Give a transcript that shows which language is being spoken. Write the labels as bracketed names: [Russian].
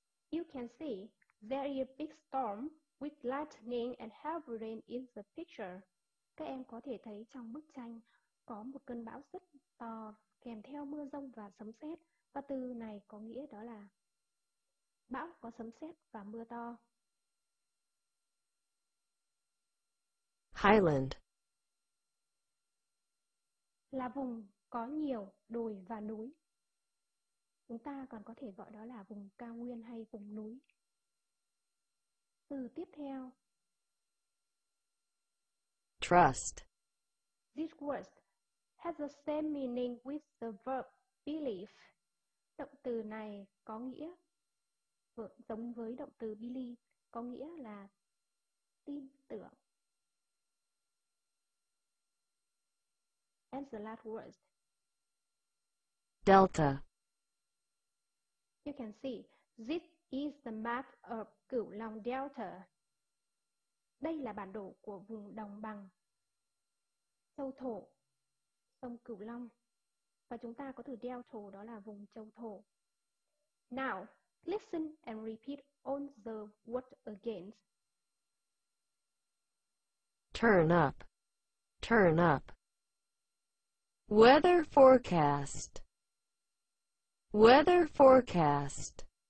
[English] You can see there is a big storm with lightning and heavy rain in the picture. [Vietnamese] Các em có thể thấy trong bức tranh có một cơn bão rất to kèm theo mưa dông và sấm sét. Và từ này có nghĩa đó là bão có sấm sét và mưa to. [English] Highland. [Vietnamese] Là vùng có nhiều đồi và núi. Chúng ta còn có thể gọi đó là vùng cao nguyên hay vùng núi. Từ tiếp theo. [English] Trust. This word has the same meaning with the verb believe. [Vietnamese] Động từ này có nghĩa giống với động từ believe, có nghĩa là tin tưởng. [English] and the last word. Delta. You can see, this is the map of Cửu Long Delta. [Vietnamese] Đây là bản đồ của vùng đồng bằng châu thổ, sông Cửu Long. Và chúng ta có từ Delta, đó là vùng châu thổ. [English] Now, listen and repeat all the words again. Turn up, turn up. Weather forecast, weather forecast.